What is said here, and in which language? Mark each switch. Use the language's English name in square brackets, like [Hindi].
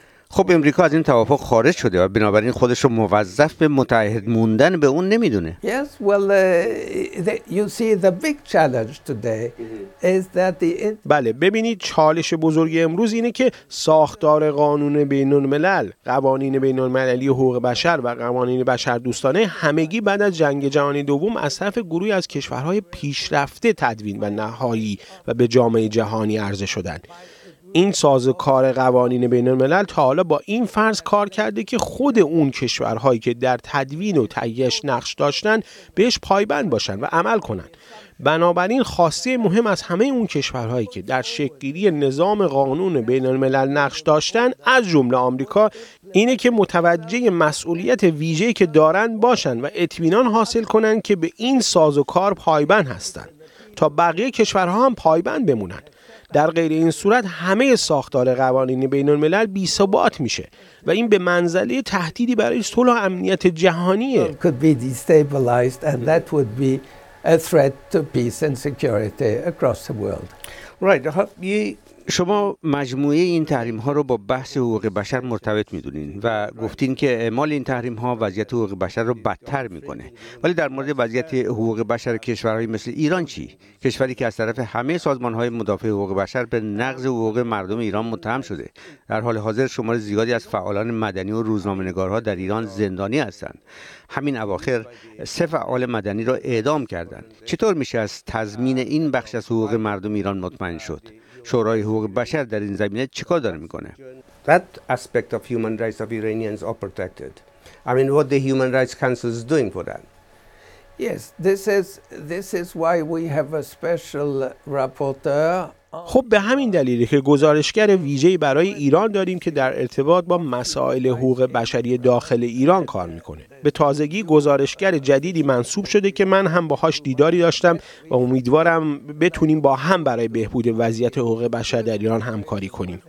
[Persian] خب امریکا از این توافق خارج شده و بنابراین خودش رو موظف به متعهد موندن به اون نمیدونه. [English] Yes, well, you see the big challenge today is that [Persian] بله ببینید چالش بزرگ امروز اینه که ساختار قانون بین الملل، قوانین بین المللی حقوق بشر و قوانین بشر دوستانه همگی بعد از جنگ جهانی دوم از طرف گروهی از کشورهای پیشرفته تدوین و نهایی و به جامعه جهانی عرضه شدند. این سازوکار قوانین بین الملل تا حالا با این فرض کار کرده که خود اون کشورهایی که در تدوین و تهیهش نقش داشتن بهش پایبند باشن و عمل کنن. بنابراین خواسته مهم از همه اون کشورهایی که در شکل‌گیری نظام قانون بین الملل نقش داشتن از جمله آمریکا اینه که متوجه مسئولیت ویژه‌ای که دارن باشن و اطمینان حاصل کنن که به این سازوکار پایبند هستن تا بقیه کشورها هم پایبند بمونن. در غیر این صورت همه ساختار قوانین بین الملل بی ثبات میشه و این به منزله تهدیدی برای صلح و امنیت جهانیه. [English] Could be destabilized and that would be a threat to peace and security across the world. Right. [Persian] شما مجموعه این تحریم ها رو با بحث حقوق بشر مرتبط میدونین و گفتین که اعمال این تحریم ها وضعیت حقوق بشر رو بدتر میکنه. ولی در مورد وضعیت حقوق بشر کشورهای مثل ایران چی؟ کشوری که از طرف همه سازمان های مدافع حقوق بشر به نقض حقوق مردم ایران متهم شده. در حال حاضر شمار زیادی از فعالان مدنی و روزنامه‌نگارها در ایران زندانی هستند. همین اواخر سه فعال مدنی را اعدام کردند. چطور میشه از تضمین این بخش از حقوق مردم ایران مطمئن شد؟ شورای حقوق بشر در این زمینه چیکار داره میکنه؟ [English] That aspect of human rights of Iranians are protected. I mean, what the Human Rights Council is doing for that? Yes, this is why we have a special rapporteur. [Persian] خب به همین دلیلی که گزارشگر ویژه‌ای برای ایران داریم که در ارتباط با مسائل حقوق بشری داخل ایران کار میکنه. به تازگی گزارشگر جدیدی منصوب شده که من هم باهاش دیداری داشتم و امیدوارم بتونیم با هم برای بهبود وضعیت حقوق بشر در ایران همکاری کنیم.